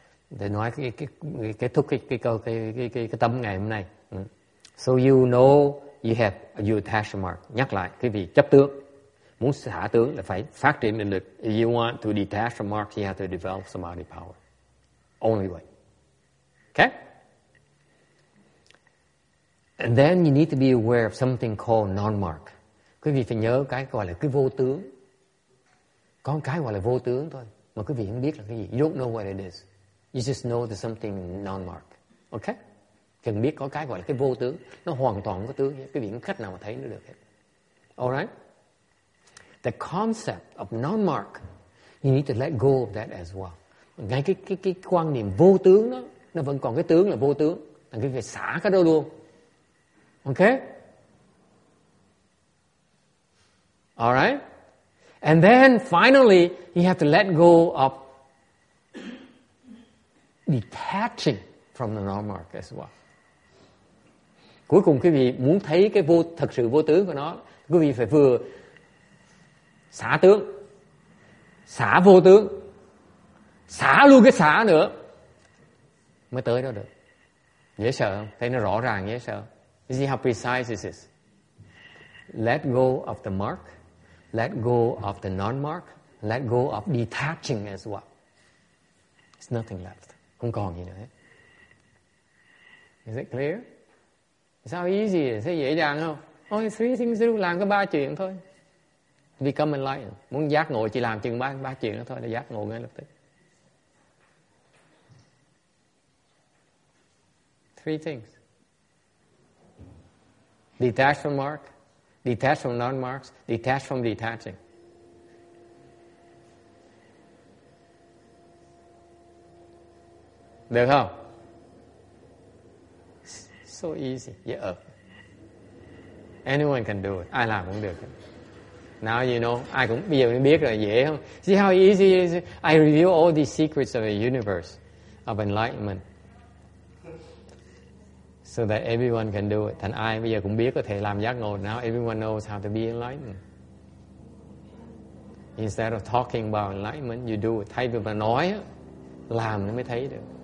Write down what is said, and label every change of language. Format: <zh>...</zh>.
<vi>Để nói cái kết thúc cái tâm ngày hôm nay.</vi> <en>So you know you have your attachment mark.</en> <vi>Nhắc lại, quý vị chấp tướng. Muốn xả tướng là phải phát triển định lực.</vi> <en>If you want to detach from mark, you have to develop samadhi power. Only way. Okay? And then you need to be aware of something called non-mark.</en> <vi>Quý vị phải nhớ cái gọi là cái vô tướng. Có cái gọi là vô tướng thôi. Mà quý vị không biết là cái gì.</vi> <en>You don't know what it is. You just know there's something non-mark. Okay?</en> <vi>Cần biết có cái gọi là cái vô tướng. Nó hoàn toàn có tướng. Quý vị không khách nào mà thấy nó được hết.</vi> <en>Alright? The concept of non-mark, you need to let go of that as well.</en> <vi>Ngay cái quan niệm vô tướng đó, nó vẫn còn cái tướng là vô tướng. Là quý vị phải xả cái đó luôn.</vi> <en>Okay? Alright? And then finally, you have to let go of detaching from the non-mark as well.</en> <vi>Cuối cùng quý vị muốn thấy cái vô, thật sự vô tướng của nó, quý vị phải vừa xả tướng, xả vô tướng, xả luôn cái xả nữa, mới tới đó được. Dễ sợ không? Thấy nó rõ ràng, dễ sợ.</vi> <en>You see how precise this is? Let go of the mark, let go of the non-mark, let go of detaching as well. It's nothing left.</en> <vi>Không còn gì nữa hết.</vi> <en>Is it clear? Sao easy?</en> <vi>Sao dễ dàng không?</vi> <en>Only three things to do.</en> <vi>Làm có ba chuyện thôi.</vi> <en>Become enlightened.</en> <vi>Muốn giác ngộ chỉ làm chừng ba chuyện đó thôi là giác ngộ ngay lập tức.</vi> <en>Three things. Detach from mark. Detach from non-marks. Detach from detaching.</en> <vi>Được không?</vi> <en>So easy. Yeah. Anyone can do it.</en> <vi>Ai làm cũng được.</vi> <en>Now you know.</en> <vi>Ai cũng bây giờ mới biết rồi, dễ không?</vi> <en>See how easy it is. I reveal all the secrets of the universe, of enlightenment, so that everyone can do it.</en> <vi>Thành ai bây giờ cũng biết có thể làm giác ngộ.</vi> <en>Now everyone knows how to be enlightened. Instead of talking about enlightenment, you do it.</en> <vi>Thay vì mà nói, làm nó mới thấy được.</vi>